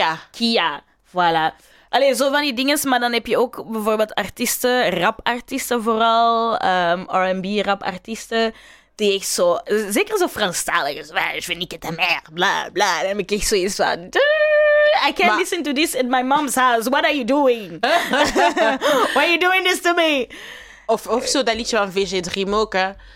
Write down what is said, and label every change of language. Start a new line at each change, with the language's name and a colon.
Dutch: Kia. Voilà. Allee, zo van die dingen. Maar dan heb je ook bijvoorbeeld artiesten, rapartiesten vooral, R&B-rapartiesten, die echt zo... Zeker zo Franstalig. Je vind ik het een meer, bla, bla. En dan krijg je zoiets van...
English: I can't listen to this in my mom's house. What are you doing? Why are you doing this to me?
Dutch: Of zo dat liedje van VG Dream ook, hè.